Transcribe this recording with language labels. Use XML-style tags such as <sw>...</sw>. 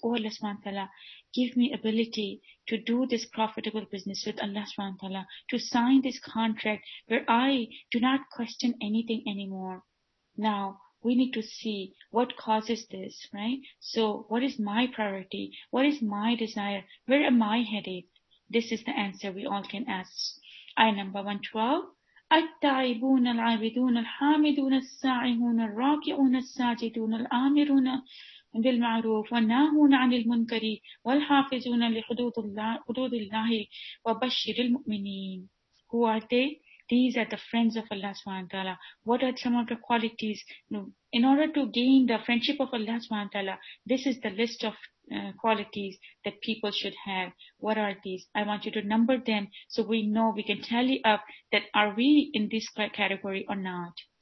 <en>Oh Allah subhanahu wa ta'ala, give me ability to do this profitable business with Allah subhanahu wa ta'ala, to sign this contract where I do not question anything anymore. Now, we need to see what causes this, right? So, what is my priority? What is my desire? Where am I headed? This is the answer we all can ask. Ayah number 112.</en> <ar>التائبون العابدون الحامدون السائحون الراكعون الساجدون الآمرون بالمعروف والناهون عن المنكر والحافظون لحدود الله وبشر المؤمنين.</ar> <en>Who are they? these are the friends of Allah subhanahu wa ta'ala. What are some of the qualities? In order to gain the friendship of Allah subhanahu wa ta'ala, this is the list of qualities that people should have. What are these? I want you to number them so we know, we can tally up that are we in this category or not.</en>